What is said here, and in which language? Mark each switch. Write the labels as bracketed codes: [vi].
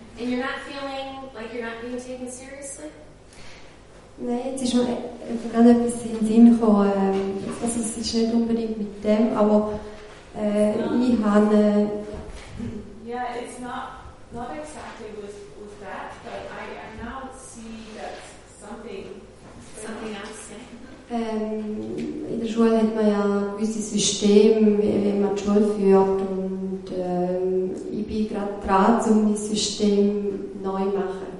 [en] And you're not feeling like you're not being taken seriously? [de] Nein, jetzt ist mir einfach gerade etwas in den Sinn gekommen. Also es ist nicht unbedingt mit dem, aber ich habe... [en] Yeah, it's not exactly with that, but I now see that something else. [de] In der Schule hat man ja gewisse Systeme, wie man die Schule führt, und ich bin gerade dran, um mein System neu zu machen.